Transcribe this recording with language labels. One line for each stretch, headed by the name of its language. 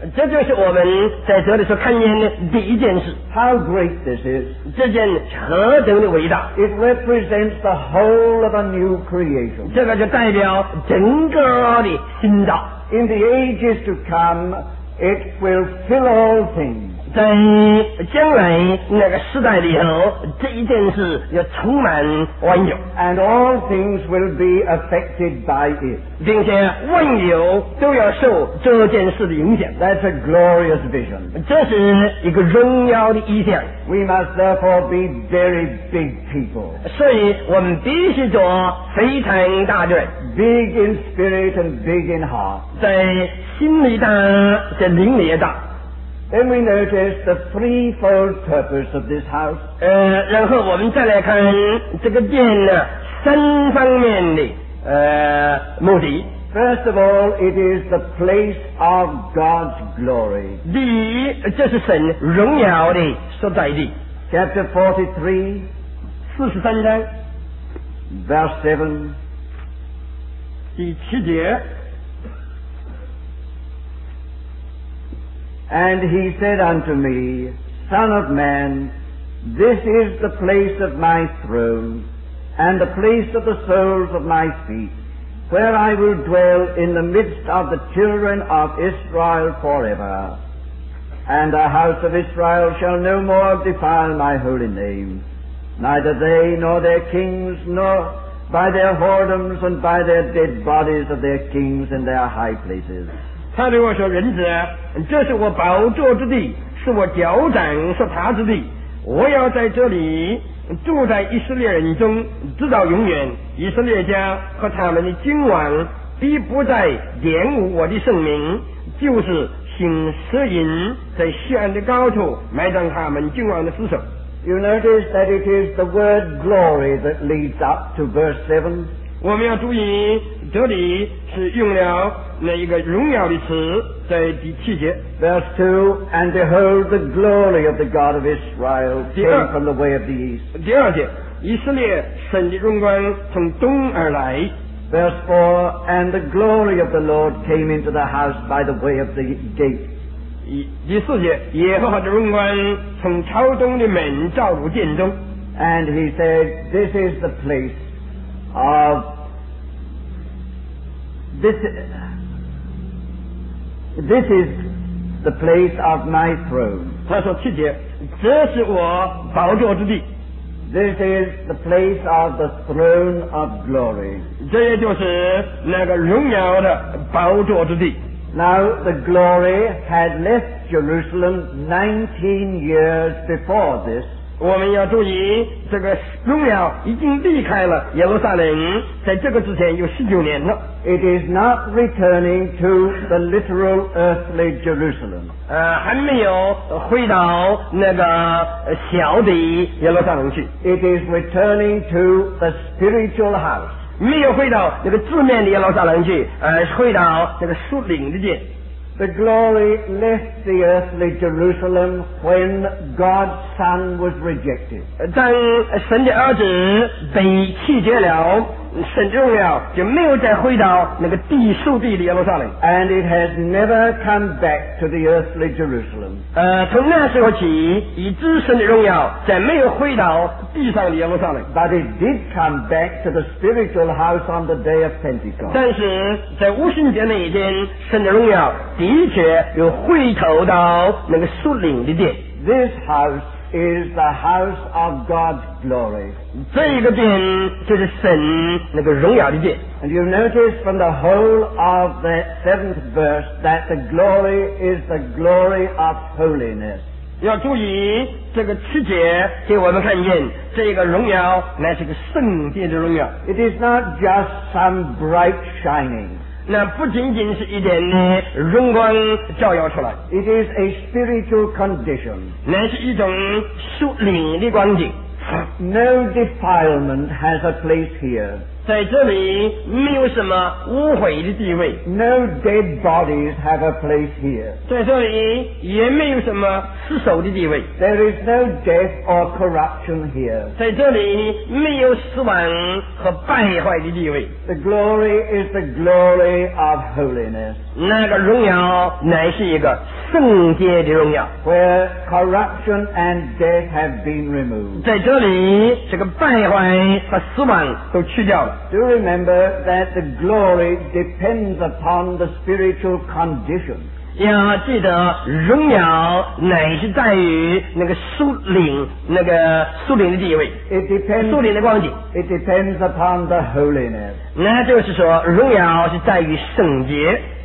Chinese: 这就是我们在这里所看见的第一件事。
English: How great this is.
Chinese: 这件何等的伟大。
English: It represents the whole of a new creation.
Chinese: 这个就代表整个的新造。
English: In the ages to come,It will fill all things.
Chinese: 在将来那个时代里头，这一件事要充满万有。
English: And all things will be affected by it.
Chinese: 并且万有都要受这件事的影响。
English: That's a glorious vision.
Chinese: 这是一个荣耀的意象。
English: We must therefore be very big people.
Chinese: 所以我们必须做非常大的人。
English: Big in spirit and big in heart.
Chinese: 在心里大，在灵里也大。
English: Then we notice the threefold purpose of this house.
Chinese: 然后我们再来看这个殿呢，三方面的目的。
English: First of all, it is the place of God's glory.
Chinese: 第一，这是神荣耀的所在地。
English: Chapter 43,
Chinese: 43章
English: verse
Chinese: 7, 第七节。
English: And he said unto me, Son of man, this is the place of my throne, and the place of the soles of my feet, where I will dwell in the midst of the children of Israel forever. And the house of Israel shall no more defile my holy name, neither they nor their kings, nor by their whoredoms and by their dead bodies of their kings in their high places.
Chinese: 他对我说人子这是我宝座之地是我脚掌所踏之地我要在这里住在以色列人中直到永远以色列家和他们的君王必不再玷污我的圣名就是行奢淫在锡安的高处埋葬他们君王的尸首
English: You notice that it is the word glory that leads up to verse 7
Chinese: 我们要注意这里是用了那一个荣耀的词在第七节
English: Verse 2 And behold the glory of the God of Israel came from the way of the east
Chinese: 第二节以色列神的荣光从东而来
English: Verse 4 And the glory of the Lord came into the house by the way of the gate
Chinese: 第四节耶和华的荣光从朝东的门照入殿中
English: And he said This is the placeOf this is the place of my throne.
Chinese: 他说七节，这是我宝座之地。
English: This is the place of the throne of glory.
Chinese: 这也就是那个荣耀的宝座之地。
English: Now the glory had left Jerusalem 19 years before this.
Chinese: 我们要注意这个荣耀已经离开了耶路撒冷在这个之前有十九年了
English: It is not returning to the literal earthly Jerusalem
Chinese: 还没有回到那个小的耶路撒冷去
English: It is returning to the spiritual house
Chinese: 没有回到那个字面的耶路撒冷去回到那个属灵的殿
English: The glory left the earthly Jerusalem when God's Son was rejected.
Chinese: 当神的儿子被弃绝了，神的荣耀就没有再回到那个地属地的耶路撒冷。
English: And it has never come back to the earthly Jerusalem.
Chinese: 从那时候起，以至神的荣耀再没有回到地上的耶路撒冷。
English: But it did come back to the spiritual house on the day of Pentecost.
Chinese: 但是在五旬节那一天，神的荣耀的确又回头到那个属灵的殿。
English: This house is the house of God's glory.
Chinese: 这个殿就是神那个荣耀的殿。
English: And you notice from the whole of the seventh verse that the glory is the glory of holiness.
Chinese: 要注意这个七节给我们看见这个荣耀乃是个圣殿的荣耀。
English: It is not just some bright shining.
Chinese: 那不仅仅是一点的荣光照耀出来
English: It is a spiritual condition
Chinese: 乃是一种属灵的光景
English: No defilement has a place here
Chinese: 在这里没有什么污秽的地位
English: No dead bodies have a place here
Chinese: 在这里也没有什么死守的地位
English: There is no death or corruption here
Chinese: 在这里没有死亡和败坏的地位
English: The glory is the glory of holiness
Chinese: 那个荣耀乃是一个圣洁的荣耀
English: Where corruption and death have been removed
Chinese: 在这里这个败坏和死亡都去掉了
English: Do remember that the glory depends upon the spiritual condition
Chinese: 要记得荣耀乃是在于那个属灵那个属灵的地位
English: It depends,
Chinese: 属灵的光景
English: It depends upon the holiness
Chinese: 那就是说荣耀是在于圣洁